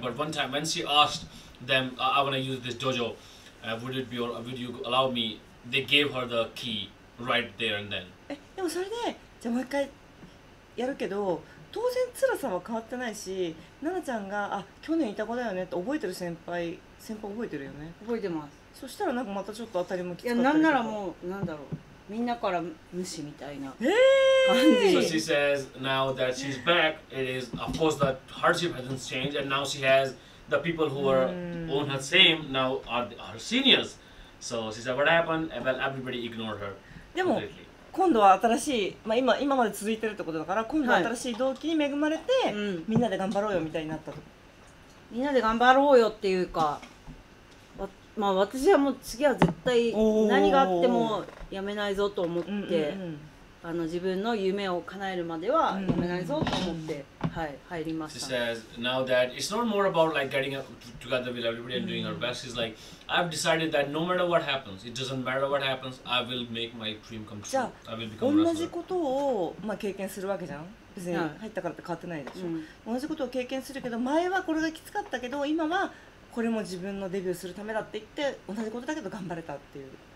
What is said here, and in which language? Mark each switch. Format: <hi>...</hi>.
<en>But one time when she asked them, I want to use this dojo, would you allow me? They gave her the key right there and then.</en> <ja>でもそれで、じゃあもう一回やるけど、当然辛さは変わってないし、奈々ちゃんが、あ、去年いた子だよねって覚えてる先輩覚えてるよね。覚えてます。そしたらなんかまたちょっと当たりもきつかったりとか。いや、なんならもう、なんだろう。みんなから無視みたいな感じ。</ja> <en>So she says now that she's back, it is of course that hardship hasn't changed, and now she has the people who are on her same now are her seniors. So she said, what happened? Well, everybody ignored her.</en> <ja>でも今度は新しい、まあ今まで続いてるってことだから、今度は新しい動機に恵まれて、はい、みんなで頑張ろうよみたいになったと。みんなで頑張ろうよっていうか。まあ、私はもう次は絶対何があってもやめないぞと思って、自分の夢を叶えるまではやめないぞと思って、はい、入りました。</ja> <en>She says, now that it's not more about like getting together with everybody and doing our best. She's like, I've decided that no matter what happens, it doesn't matter what happens, I will make my dream come true. I will become a wrestler.</en> <ja>同じことを、まあ、経験するわけじゃん。別に入ったからって変わってないでしょ。同じことを経験するけど、前はこれがきつかったけど、今はこれも自分のデビューするためだって言って、同じことだけど頑張れたっていう。</ja>